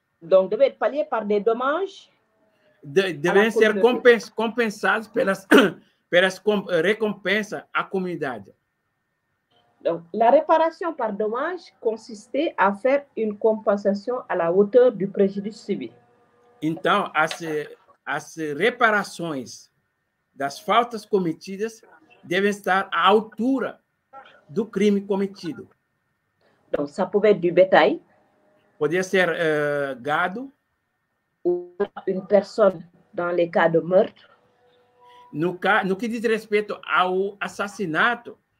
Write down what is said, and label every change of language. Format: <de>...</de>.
<fr>Donc devait être pallié par des dommages</fr> <pt>deveriam ser compensados pelas recompensa à comunidade.</pt> <fr>Donc la réparation par dommage consistait à faire une compensation à la hauteur du préjudice subi.</fr> <pt>Então as reparações das faltas cometidas devem estar à altura do crime cometido. Então,</pt> <fr>ça pouvait être du bétail.</fr> <pt>Podia ser gado.</pt> <fr>Ou une personne dans les cas de meurtre.</fr> <pt>No que diz respeito ao assassinato,</pt>